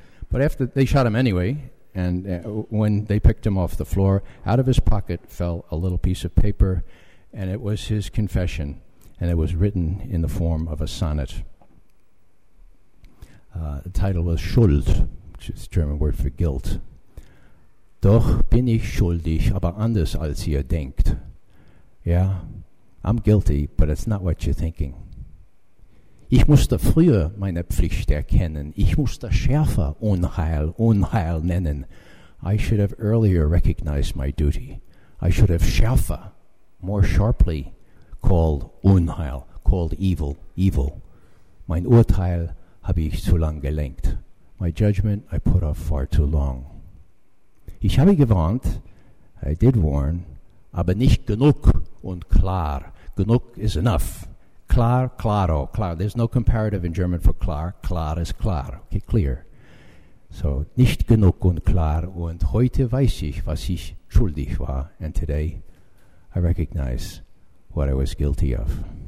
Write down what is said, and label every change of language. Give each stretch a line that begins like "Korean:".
English: But after they shot him anyway, and when they picked him off the floor, out of his pocket fell a little piece of paper, and it was his confession, and it was written in the form of a sonnet. The title was Schuld, which is the German word for guilt.
German: Doch bin ich schuldig, aber anders als ihr denkt.
English: Yeah, I'm guilty, but it's not what you're thinking.
German: Ich musste früher meine Pflicht erkennen. Ich musste schärfer Unheil, Unheil nennen.
English: I should have earlier recognized my duty. I should have
German: schärfer,
English: more sharply, called
German: Unheil,
English: called evil, evil.
German: Mein Urteil habe ich zu lang gelenkt.
English: My judgment I put off far too long.
German: Ich habe gewarnt,
English: I did warn,
German: aber nicht genug und klar.
English: Genug is enough. Klar, claro, klar. There's no comparative in German for klar. Klar is klar, okay, clear. So,
German: nicht genug und klar, und heute weiß ich, was ich schuldig war,
English: and today I recognize what I was guilty of.